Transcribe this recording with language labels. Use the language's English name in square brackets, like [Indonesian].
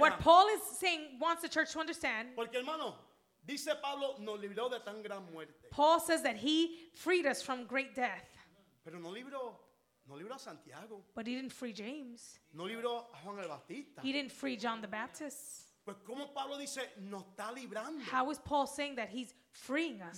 [English] What Paul is saying wants the church to understand. [Spanish] Porque hermano. Dice Pablo, nos libró de tan gran muerte. [English] Paul says that he freed us from great death. [Spanish] Pero no libró a Santiago. [English] But he didn't free James. [Spanish] No libró a Juan el Bautista. [English] He didn't free John the Baptist. [Spanish] Pues como Pablo dice, nos está librando. [English] How is Paul saying that he's freeing us?